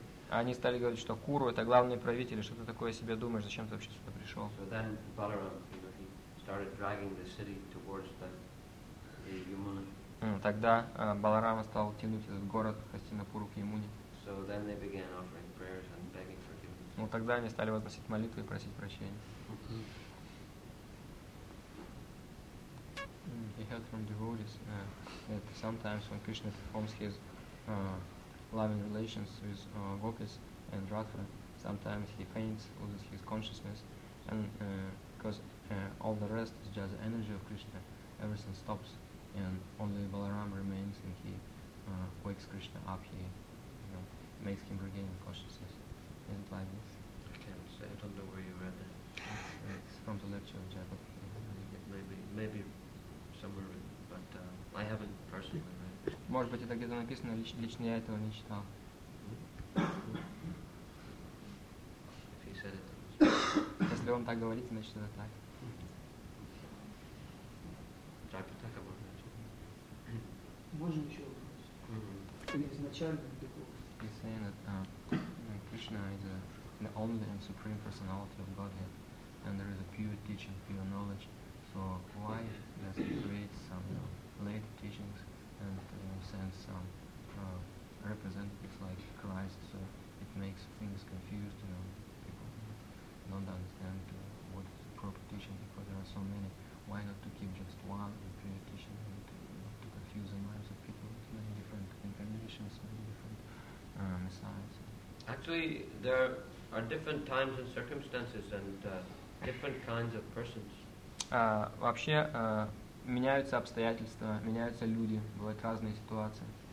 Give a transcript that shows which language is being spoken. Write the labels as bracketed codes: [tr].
[ru] Они стали говорить, что Куру — это главные правители, что ты такое о себе думаешь, зачем ты вообще сюда пришел? [en] So then Balaram, you know, he started dragging the city towards the Yamuna. [ru] Тогда Баларама стал тянуть этот город Хастинапуру к Ямуне. [en] So then they began offering prayers and begging forgiveness. [ru] Ну, тогда они стали возносить молитвы и просить прощения. [en] We heard from devotees that sometimes when Krishna performs his loving relations with gopis and Radha, sometimes he faints, loses his consciousness, and because all the rest is just the energy of Krishna, everything stops, and only Balaram remains, and he wakes Krishna up, he makes him regain consciousness. Is it like this? Okay, I don't know where you read that. It's from the lecture of Jagat. Maybe somewhere, but I haven't personally read it. [ru] Может быть, это где-то написано, лично я этого не читал. [en] If he said it, [ru] если он так говорит, значит это так. Джайпатака можно читать. Можно еще вопрос. Изначально такого. [en] He's saying that Krishna is the only and supreme personality of Godhead, and there is a pure teaching, pure knowledge. So why does he create some late teachings and send some representatives like Christ? So it makes things confused, people don't understand what is the proper teaching, because there are so many. Why not to keep just one and pure teaching, and not to confuse the minds of people with many different incarnations, many different messiahs? Actually, there are different times and circumstances and different kinds of persons. [ru] Вообще меняются обстоятельства, меняются люди, бывают разные ситуации.